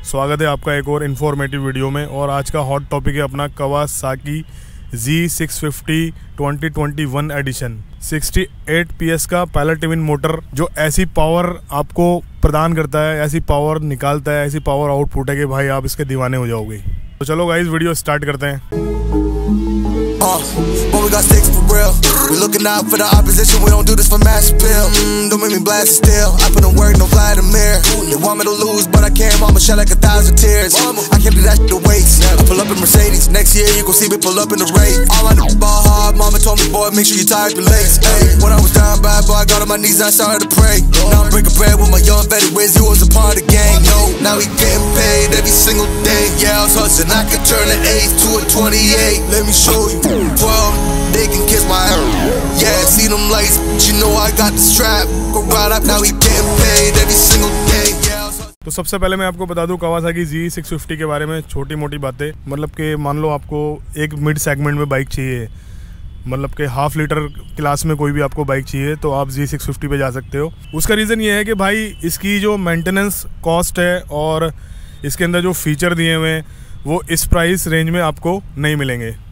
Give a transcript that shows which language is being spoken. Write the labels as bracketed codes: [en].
[hi] स्वागत है आपका एक और इन्फॉर्मेटिव वीडियो में। और आज का हॉट टॉपिक है अपना कावासाकी Z650 2021 एडिशन। 68 PS का पायलट ट्विन मोटर जो ऐसी पावर आपको प्रदान करता है, ऐसी पावर निकालता है, ऐसी पावर आउटपुट है कि भाई आप इसके दीवाने हो जाओगे। तो चलो गाइज वीडियो स्टार्ट करते हैं। [en] But we got six for real. We looking out for the opposition. We don't do this for mass appeal. Don't make me blast it still. I put on work, no Vladimir. They want me to lose, but I can't. Mama shed like a thousand tears. I can't do that shit to waste. I pull up in Mercedes. Next year you gon' see me pull up in the race. All I know about hard. Mama told me, boy, make sure you tie up your lace. Hey, when I was down bad, boy, I got on my knees, I started to pray. Now I'm breaking bread with my young Betty Wiz. He was a part of the gang. No, now he getting paid every single day. Yeah, I was hustling. I could turn an 8 to a 28. Let me show you. 12, they can kiss my ass. Yeah, see them lights, but you know I got the strap. Go right up, now he getting paid every single day. [hi] तो सबसे पहले मैं आपको बता दूं Kawasaki Z650 के बारे में छोटी मोटी बातें। मतलब कि मान लो आपको एक मिड सेगमेंट में बाइक चाहिए, मतलब कि हाफ लीटर क्लास में कोई भी आपको बाइक चाहिए, तो आप Z650 पे जा सकते हो। उसका रीज़न ये है कि भाई इसकी जो मेंटेनेंस कॉस्ट है और इसके अंदर जो फीचर दिए हुए हैं वो इस प्राइस रेंज में आपको नहीं मिलेंगे।